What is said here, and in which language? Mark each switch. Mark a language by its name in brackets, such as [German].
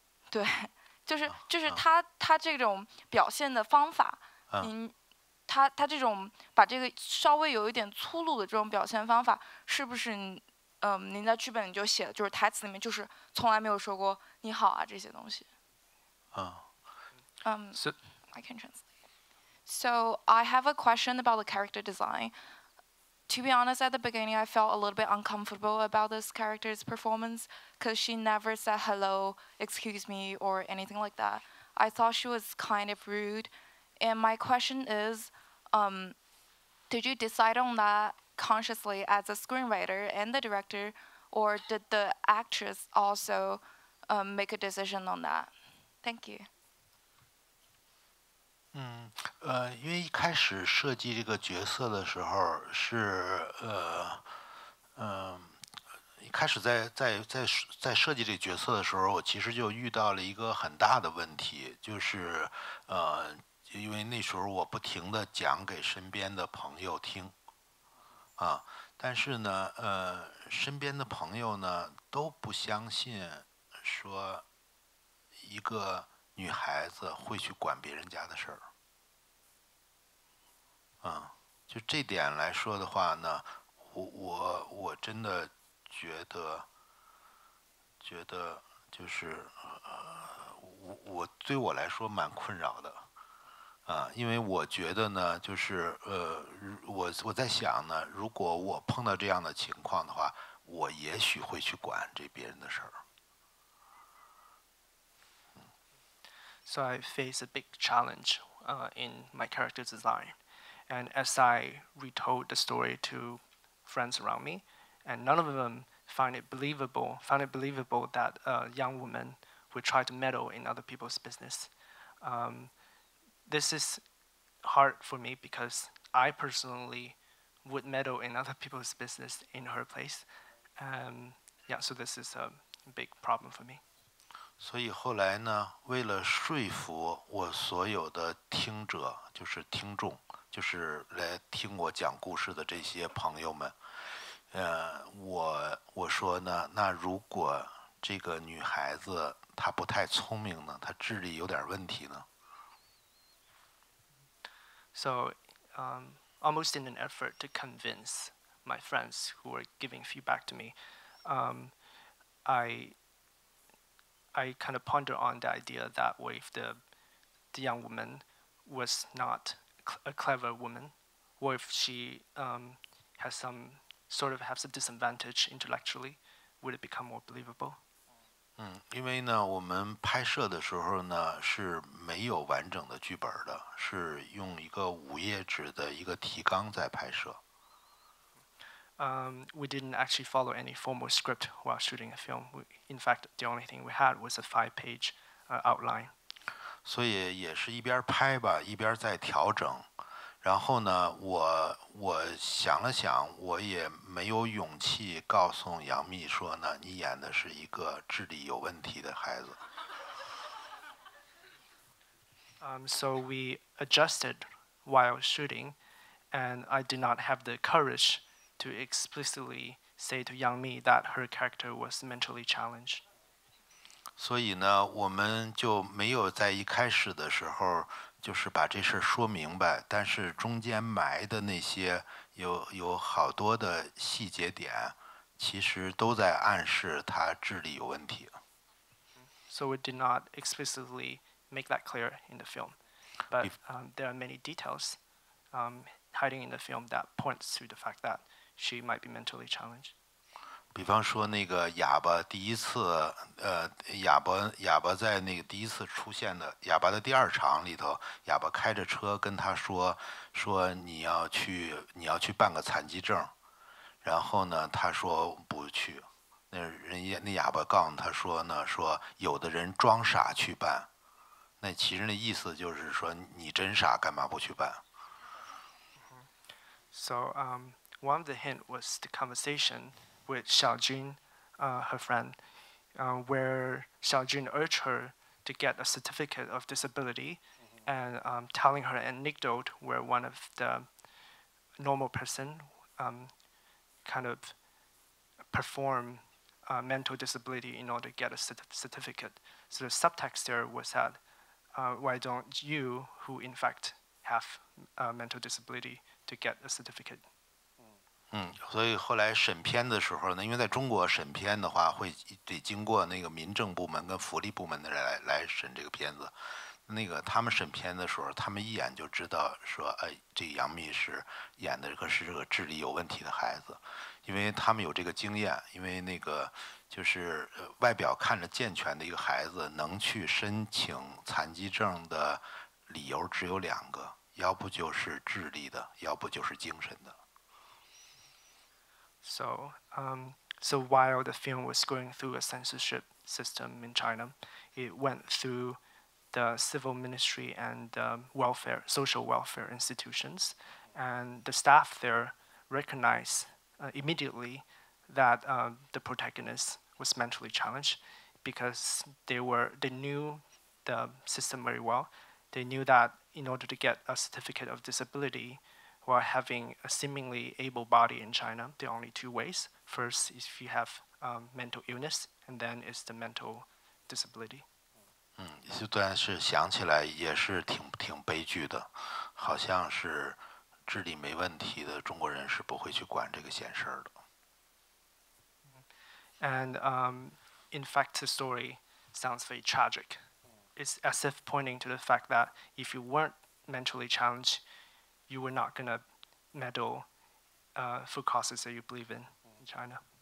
[Chinese] 对，就是他这种表现的方法，您他这种把这个稍微有一点粗鲁的这种表现方法，是不是您在剧本里就写的，就是台词里面就是从来没有说过你好啊这些东西。 [English] So, I can translate. So I have a question about the character design. To be honest, at the beginning, I felt a little bit uncomfortable about this character's performance because she never said hello, excuse me, or anything like that. I thought she was kind of rude. And my question is, did you decide on that consciously as a screenwriter and the director, or did the actress also make a decision on that? Thank you. [Chinese] 因为一开始设计这个角色的时候是一开始在设计这个角色的时候，我其实就遇到了一个很大的问题，就是因为那时候我不停地讲给身边的朋友听，啊，但是呢，身边的朋友呢都不相信，说一个女孩子会去管别人家的事儿。啊，就这点来说的话呢，我真的觉得就是我对我来说蛮困扰的。啊，因为我觉得呢，就是我在想呢，如果我碰到这样的情况的话，我也许会去管这别人的事儿。 [English] So I face a big challenge in my character design, and as I retold the story to friends around me, and none of them found it believable that a young woman would try to meddle in other people's business. This is hard for me because I personally would meddle in other people's business in her place. Yeah, so this is a big problem for me. [Chinese] 所以后来呢，为了说服我所有的听者，就是听众，就是来听我讲故事的这些朋友们，我说呢，那如果这个女孩子她不太聪明呢，她智力有点问题呢？ [English] So, almost in an effort to convince my friends who were giving feedback to me, I kind of ponder on the idea that what if the young woman was not a clever woman, what if she has a disadvantage intellectually, would it become more believable? [Chinese] 因为呢，我们拍摄的时候呢是没有完整的剧本的，是用一个五页纸的一个提纲在拍摄。 [English] We didn't actually follow any formal script while shooting a film. In fact, the only thing we had was a five-page outline. [Chinese] 所以也是一边拍吧，一边在调整。然后呢，我想了想，我也没有勇气告诉杨幂说呢，你演的是一个智力有问题的孩子。 [English] So we adjusted while shooting, and I did not have the courage to explicitly say to Yang Mi that her character was mentally challenged. [Chinese] 所以呢，我们就没有在一开始的时候。就是把这事说明白，但是中间埋的那些有好多的细节点，其实都在暗示他智力有问题。 [English] So we did not explicitly make that clear in the film, but there are many details hiding in the film that points to the fact that she might be mentally challenged. [Chinese] 比方说那个哑巴第一次，哑巴在那个第一次出现的哑巴的第二场里头，哑巴开着车跟他说你要去办个残疾证，然后呢他说不去，那哑巴告诉他说呢，说有的人装傻去办，那其实那意思就是说你真傻干嘛不去办。 [English] So one of the hint was the conversation with Xiao Jun, her friend, where Xiao Jun urged her to get a certificate of disability, mm-hmm. and telling her an anecdote where one of the normal person kind of perform mental disability in order to get a certificate. So the subtext there was that, why don't you, who in fact have a mental disability, to get a certificate? [Chinese] 所以后来审片的时候呢，因为在中国审片的话会得经过那个民政部门跟福利部门的人来审这个片子，那个他们审片的时候，他们一眼就知道说，哎，这个杨幂是演的可是这个智力有问题的孩子，因为他们有这个经验，因为那个就是外表看着健全的一个孩子能去申请残疾证的理由只有两个，要不就是智力的，要不就是精神的。 [English] So, so while the film was going through a censorship system in China, it went through the civil ministry and social welfare institutions, and the staff there recognized immediately that the protagonist was mentally challenged because they knew the system very well. They knew that in order to get a certificate of disability, who are having a seemingly able body in China, there are only two ways. First is if you have mental illness, and then is the mental disability. [Chinese] 这段是想起来也是挺悲剧的。好像是智力没问题的中国人是不会去管这个闲事的。 [English] And in fact, the story sounds very tragic. It's as if pointing to the fact that if you weren't mentally challenged, you were not going to meddle for causes that you believe in China.